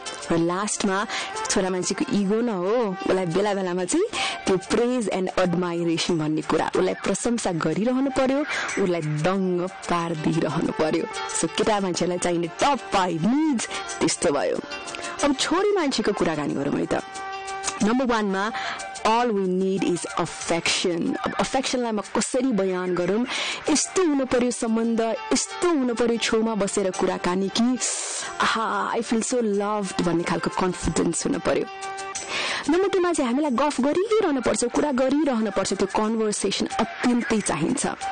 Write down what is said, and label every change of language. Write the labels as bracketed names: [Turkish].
[Nepali] र लास्टमा, छोरा मान्छेको इगो न हो, उसलाई बेला बेलामा चाहिँ त्यो प्रेज एन्ड एडमाइरेसन भन्ने कुरा, उसलाई प्रशंसा गरिरहनु पर्यो, उसलाई दङ्ग पारिदिइरहनु पर्यो. सो केटा मान्छेलाई चाहिने टप फाइभ निड्स त्यस्तो भयो. अब छोरी मान्छेको कुराकानी गरौँ है त. नम्बर वानमा, [English] All we need is affection. [Nepali] अब अफेक्सनलाई म कसरी बयान गरौँ, यस्तो हुनुपऱ्यो सम्बन्ध, यस्तो हुनुपऱ्यो छेउमा बसेर कुराकानी कि आहा [English] I feel so loved [Nepali] भन्ने खालको कन्फिडेन्स हुनु पऱ्यो. नम्बर टूमा चाहिँ हामीलाई गफ गरिरहनु पर्छ, कुरा गरिरहनु पर्छ, त्यो कन्भर्सेसन अत्यन्तै चाहिन्छ.